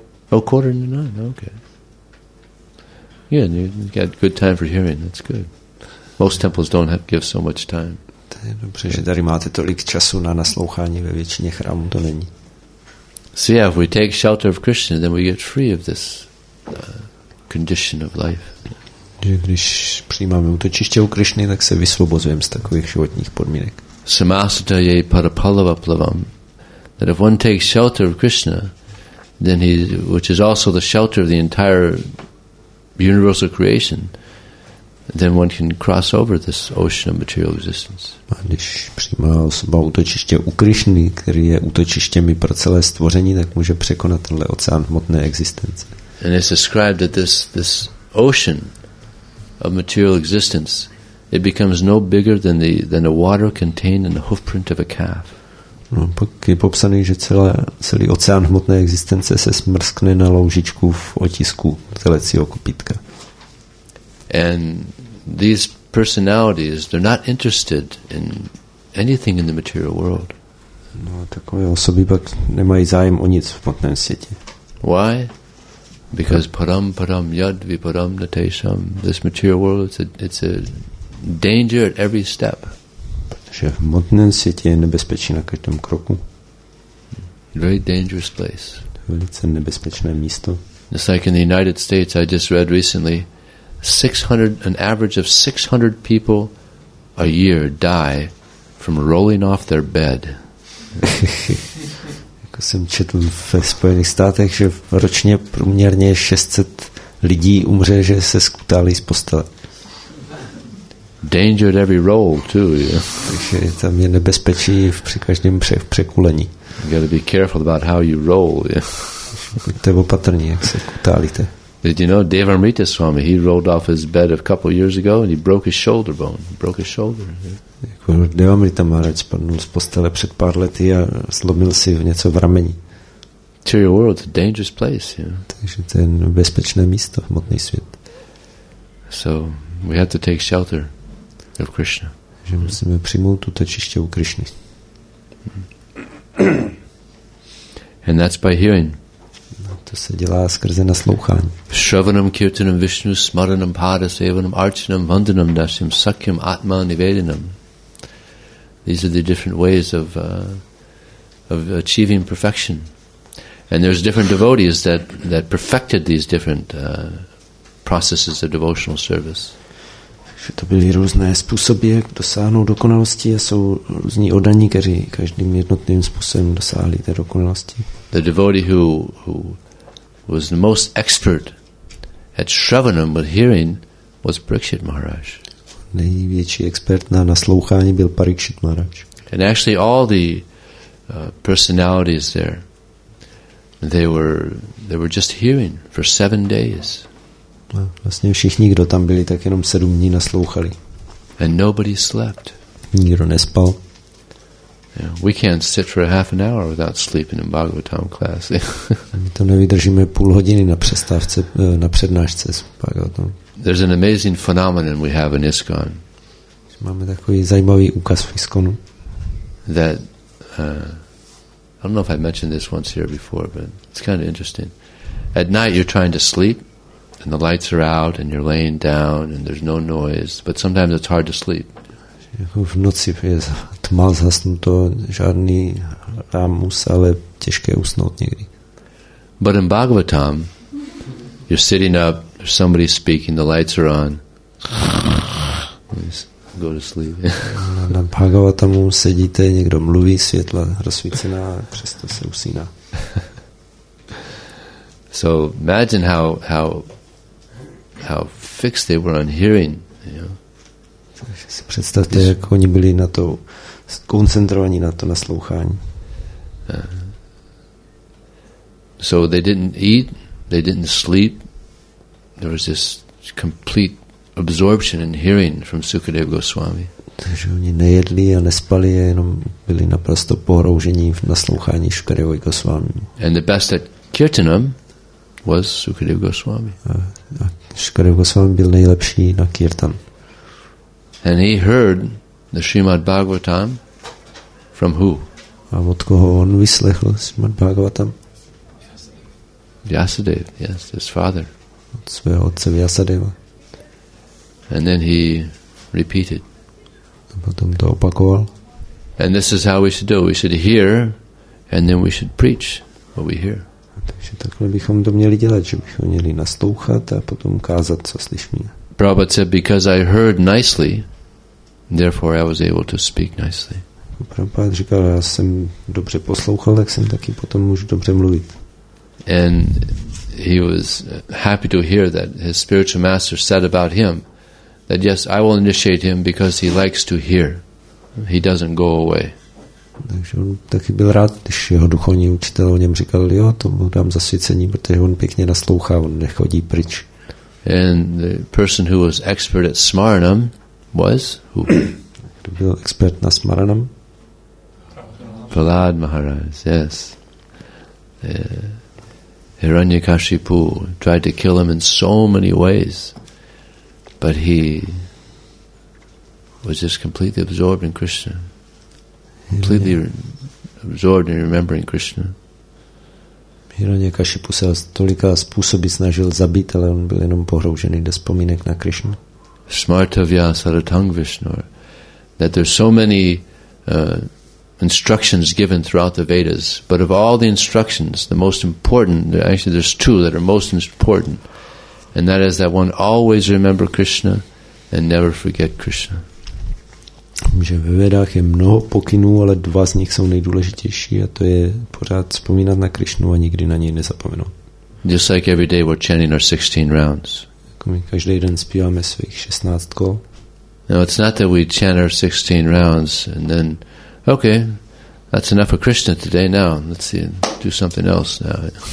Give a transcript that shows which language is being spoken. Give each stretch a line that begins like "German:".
English: Oh, quarter to nine. Okay. Yeah, you got good time for hearing. That's good. Most temples don't give so much time.
Czech: To je dobře, že tady máte tolik času na naslouchání, ve většině chrámů to není.
English: So yeah, if we take shelter of Krishna, then we get free of this condition of life.
Czech: Když přijímáme útočiště u Krishny, tak se vysvobozujeme z takových životních podmínek.
Sanskrit: Samasata je parapalava plavam.
English: That if one takes shelter of Krishna, then he, which is also the shelter of the entire universal creation, then one can cross over this ocean of material existence.
Czech: A když přijímá osoba útočiště u Krišny, který je útočištěmi pro celé stvoření, tak může překonat tenhle oceán hmotné existence.
English: And it's described that this ocean of material existence, it becomes no bigger than a water contained in the hoofprint of a calf.
Czech: No, pak je popsaný, že celý oceán hmotné existence se smrskne na loužičku v otisku telecího kopítka.
English: And these personalities, they're not interested in anything in the material world.
Czech: No, takové osoby pak nemají zájem o nic v hmotném světě.
English: Why? Because
Sanskrit: param param yad viparam natesham.
English: This material world, it's a danger at every step.
Czech: Protože v hmotném světě je nebezpečí na každém kroku.
English: Very dangerous place.
Czech: Velice nebezpečné místo.
English: It's like in the United States, I just read recently, 600, an average of 600 people a year die from rolling off their bed.
Czech: Jako jsem četl ve Spojených státech, že ročně průměrně 600 lidí umře, že se skutálí z postele.
English: Danger at every roll too, yeah.
Czech: Takže tam je nebezpečí při každém překulení.
English: You gotta be careful about how you roll, yeah.
Czech: Buďte opatrní, jak se skutálíte.
English: Did you know Devamrita Swami? He rolled off his bed a couple years ago and he broke his shoulder bone. Broke his shoulder.
Czech: Devamrita Maharaj spadnul z postele před pár lety a zlomil si něco v rameni.
English: Material world, a dangerous place. Yeah.
Czech: Takže to je bezpečné místo, hmotný svět.
English: So we have to take shelter of Krishna.
Czech: Takže musíme přijmout útočiště u Krishny.
English: And that's by hearing.
Czech: To se dělá skrze naslouchání.
Sanskrit: Shravanam kirtanam Vishnu smaranam padasevanam archanam vandanam dasyam sakyam atma nivedanam.
English: These are the different ways of achieving perfection. And there's different devotees that perfected these different processes of devotional service.
Czech: Že to byly různé způsoby, jak dosáhnout dokonalosti, a jsou různí oddaní, kteří každým jednotným způsobem dosáhli té dokonalosti.
English: The devotee who was the most expert at shravanam with hearing was Parikshit Maharaj.
Czech: Největší expert na naslouchání byl Parikshit Maharaj.
English: And actually all the personalities there, they were just hearing for 7 days.
Czech: A vlastně všichni, kdo tam byli, tak jenom 7 dní naslouchali.
English: And nobody slept.
Czech: Nikdo nespal.
English: Yeah, we can't sit for a half an hour without sleeping in Bhagavatam class.
Czech: My to nevydržíme půl hodiny na přestávce, na přednášce s Bhagavatam.
English: There's an amazing phenomenon we have in ISKCON.
Czech: Máme takový zajímavý úkaz v ISKCONu.
English: That I don't know if I mentioned this once here before, but it's kind of interesting. At night you're trying to sleep and the lights are out and you're laying down and there's no noise, but sometimes it's hard to sleep.
Czech: V noci je tma, zhasnuto, žádný rámus, ale těžké usnout někdy.
English: But in Bhagavatam, you're sitting up, there's somebody speaking, the lights are on. Go to sleep.
Czech: Na Bhagavatamu sedíte, někdo mluví, světla rozsvícená, přesto se usíná.
English: So imagine how fixed they were on hearing, you know.
Czech: Takže si představte, jak oni byli na to koncentrovaní, na to naslouchání.
English: So they didn't eat, they didn't sleep. There was this complete absorption in hearing from Sukadeva Goswami.
Czech: Takže oni nejedli a nespali, jenom byli naprosto pohroužení v naslouchání Sukadeva Goswami.
English: And the best at kirtanam was Sukadeva Goswami.
Czech: A Sukadeva Goswami byl nejlepší na kirtan.
English: And he heard the Srimad Bhagavatam from who?
Czech: A od koho on vyslechl Srimad Bhagavatam?
English: Vyasadev, yes, his father.
Czech: Od svého otce Vyasadeva.
English: And then he repeated.
Czech: A potom to opakoval.
English: And this is how we should do. We should hear, and then we should preach what we hear.
Czech: Takže takhle bychom to měli dělat, že bychom měli naslouchat a potom kázat, co slyšíme.
English: Prabhupada said, because I heard nicely, therefore I was able to speak nicely.
Czech: Prabhupada říkal, já jsem dobře poslouchal, tak jsem taky potom můžu dobře mluvit.
English: And he was happy to hear that his spiritual master said about him that yes, I will initiate him because he likes to hear. He doesn't go away.
Czech: Takže on taky byl rád, když jeho duchovní učitel o něm říkal, jo, to mu dám zasvěcení, protože on pěkně naslouchá, on nechodí pryč.
English: And the person who was expert at smaranam was who?
Czech: Byl expert na smaranam?
English: Prahlad Maharaj, yes. Hiranyakashipu tried to kill him in so many ways, but he was just completely absorbed in Krishna. Completely absorbed in remembering Krishna.
Czech: Hiranyakashipu se tolika způsoby snažil zabít, ale on byl jenom pohroužený do vzpomínek na Krishnu.
Sanskrit: Smartavya Saratang Vishnur,
English: that there's so many instructions given throughout the Vedas, but of all the instructions, the most important, actually there's two that are most important, and that is that one always remember Krishna and never forget Krishna.
Czech: Že ve Vedách je mnoho pokynů, ale dva z nich jsou nejdůležitější, a to je pořád vzpomínat na Krishnu a nikdy na něj nezapomenout.
English: Just like every day we're chanting our 16 rounds.
Czech: Každý den zpíváme svých 16 kol.
English: Now it's not that we chant our 16 rounds and then, okay, that's enough for Krishna today. Now let's see, do something else now.